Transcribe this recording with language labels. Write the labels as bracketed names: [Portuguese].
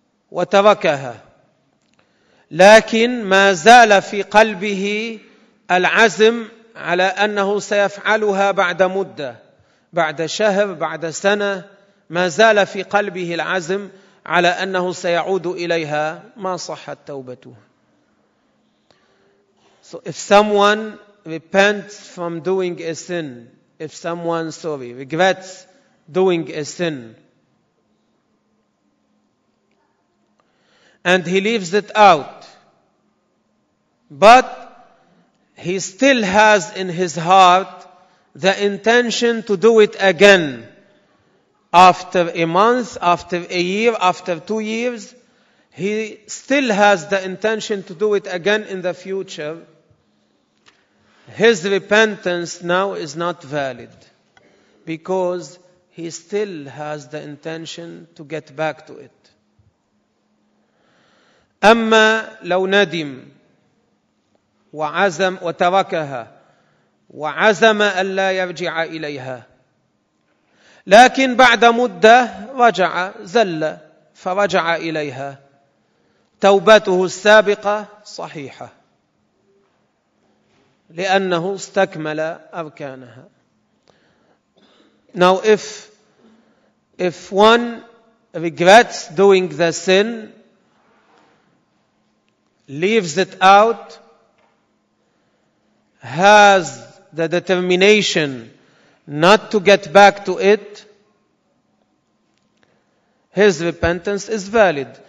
[Arabic] وتركها لكن ما زال في قلبه العزم على أنه سيفعلها بعد مدة بعد شهر بعد سنة ما زال في قلبه العزم على أنه سيعود إليها ما صحت توبته. [English] So if someone repents from doing a sin, if someone, sorry, regrets doing a sin, and he leaves it out, but he still has in his heart the intention to do it again after a month, after a year, after 2 years, he still has the intention to do it again in the future, his repentance now is not valid because he still has the intention to get back to it. [Arabic] أما لو ندم وعزم وتركها وعزم ألا يرجع إليها لكن بعد مدة رجع زل فرجع إليها توبته السابقة صحيحة لأنه استكمل أركانها. [English] Now if one regrets doing the sin, leaves it out, has the determination not to get back to it, his repentance is valid.